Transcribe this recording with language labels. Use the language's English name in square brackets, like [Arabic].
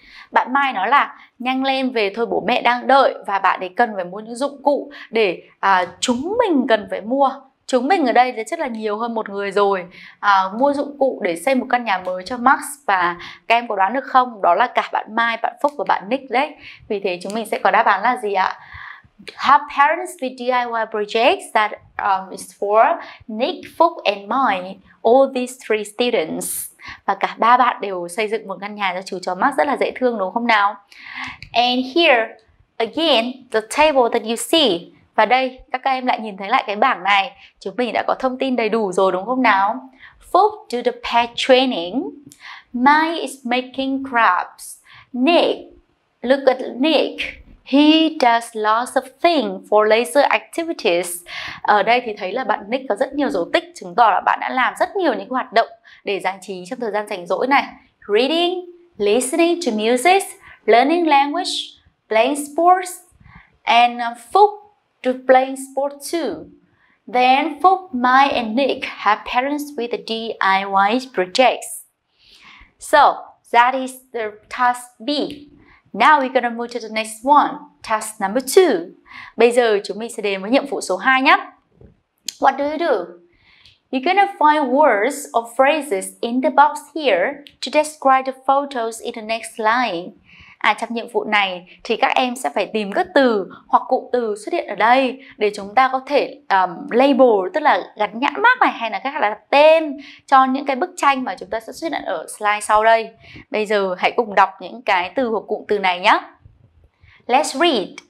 [Vietnamese] Bạn Mai nói là nhanh lên về thôi, bố mẹ đang đợi và bạn ấy cần phải mua những dụng cụ để chúng mình cần phải mua. Chúng mình ở đây thì chắc là nhiều hơn một người rồi. Mua dụng cụ để xây một căn nhà mới cho Max. Và các em có đoán được không? Đó là cả bạn Mai, bạn Phúc và bạn Nick đấy. Vì thế chúng mình sẽ có đáp án là gì ạ? [English] Help parents with DIY projects that is for Nick, Phúc and Mai. All these three students. [Vietnamese] Và cả ba bạn đều xây dựng một căn nhà cho chú chó Max rất là dễ thương, đúng không nào? [English] And here, again, the table that you see. [Vietnamese] Và đây, các em lại nhìn thấy lại cái bảng này. Chúng mình đã có thông tin đầy đủ rồi, đúng không nào? [English] Phúc do the pet training. Mai is making crafts. Nick, look at Nick. He does lots of things for leisure activities. [Vietnamese] Ở đây thì thấy là bạn Nick có rất nhiều dấu tích, chứng tỏ là bạn đã làm rất nhiều những hoạt động để giải trí trong thời gian rảnh rỗi này. [English] Reading, listening to music, learning language, playing sports, and Phúc do playing sports too. Then Phúc, Mai and Nick have parents with the DIY projects. So that is the task B. Now we're gonna move to the next one, task number 2. [Vietnamese] Bây giờ chúng mình sẽ đến với nhiệm vụ số 2 nhé. [English] What do you do? You're gonna find words or phrases in the box here to describe the photos in the next line. [Vietnamese] À, trong nhiệm vụ này thì các em sẽ phải tìm các từ hoặc cụm từ xuất hiện ở đây để chúng ta có thể label, tức là gắn nhãn mác này, hay là các là tên cho những cái bức tranh mà chúng ta sẽ xuất hiện ở slide sau đây. Bây giờ hãy cùng đọc những cái từ hoặc cụm từ này nhé. [English] Let's read.